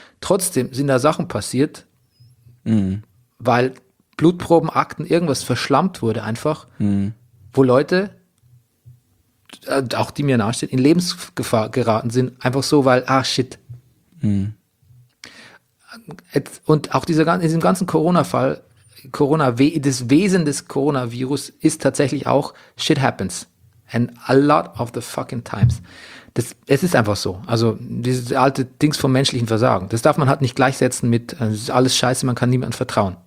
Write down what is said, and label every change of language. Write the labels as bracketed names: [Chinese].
[German] Trotzdem sind da Sachen passiert, weil Blutprobenakten, irgendwas verschlammt wurde einfach, wo Leute, auch die mir nahestehen, in Lebensgefahr geraten sind, einfach so, weil, und auch in diesem ganzen Corona-Fall, das Wesen des Coronavirus ist tatsächlich auch, [English] shit happens. And a lot of the fucking times. [German] Es ist einfach so. Also dieses alte Dings vom menschlichen Versagen. Das darf man halt nicht gleichsetzen mit, es ist alles scheiße, man kann niemandem vertrauen.